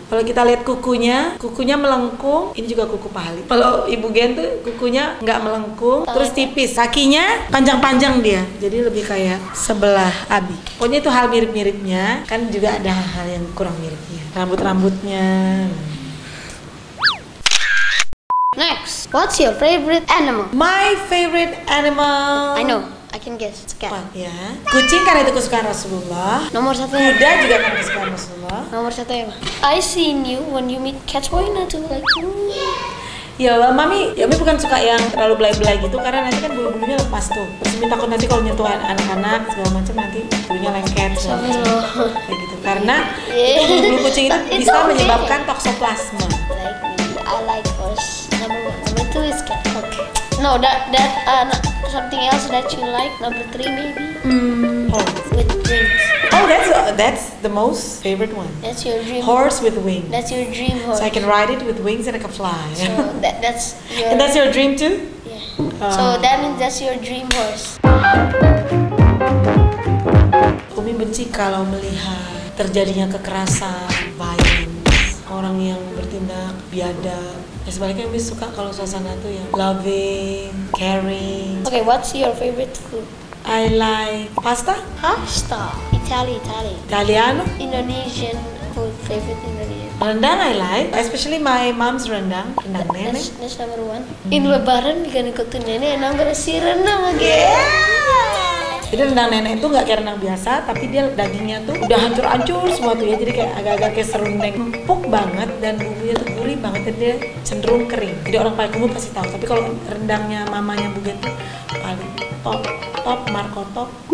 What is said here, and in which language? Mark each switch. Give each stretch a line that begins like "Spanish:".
Indonesian: Kalau kita lihat kukunya, kukunya melengkung, ini juga kuku Pak Hali. Kalau Ibu Gen tuh kukunya nggak melengkung, terus tipis. Kakinya panjang-panjang dia, jadi lebih kayak sebelah Abi. Pokoknya itu hal mirip-miripnya, kan juga ada hal-hal yang kurang miripnya. Rambut-rambutnya.
English: Next, what's your favorite animal? My favorite animal. I know. I can guess. Cat.
Indonesian: Kucing karena itu kesukaan Rasulullah. Nomor satu. Kuda juga karena kesukaan Rasulullah. Nomor satu ya, Ma.
English: I seen you when you meet cats. Why not to like you?
Indonesian: Ya Allah, Mami. Ya, Mami bukan suka yang terlalu belai-belai gitu. Karena nanti kan bulu-bulunya lepas tuh. Mami takut nanti kalau nyentuh anak-anak segala macam nanti bulunya lengket. Kayak gitu. Karena itu bulu kucing itu bisa okay menyebabkan toksoplasma.
English: I like horse. Number two is cat. Okay. No, something else that you like, number three maybe? Horse. With wings. Oh, that's the most favorite one. That's your dream horse. Horse with wings. That's your dream horse. So I can ride it with wings and I can fly. So that's your... And that's your dream too? Yeah. So that means that's your dream horse.
Indonesian: Umi benci kalau melihat terjadinya kekerasan, violence, orang yang bertindak biadab. Ya sebaliknya Umi suka kalau suasana itu yang
English: loving, caring. Okay, what's your favorite food? I like pasta. Pasta? Italy. Italiano? Indonesian food, favorite Indonesian. Rendang I like, especially my mom's rendang.
Indonesian: Rendang nenek.
English: That's number one. In lebaran, we gonna go to nenek and I'm gonna see rendang again.
Indonesian: Jadi rendang nenek itu gak kayak rendang biasa, tapi dia dagingnya tuh udah hancur-hancur semua tuh ya. Jadi kayak agak-agak kayak serundeng. Empuk banget dan bumbunya tuh gurih banget, jadi dia cenderung kering. Jadi orang Payakumbuh pasti tahu. Tapi kalau rendangnya mamanya Bu Gen tuh paling top, Marco top.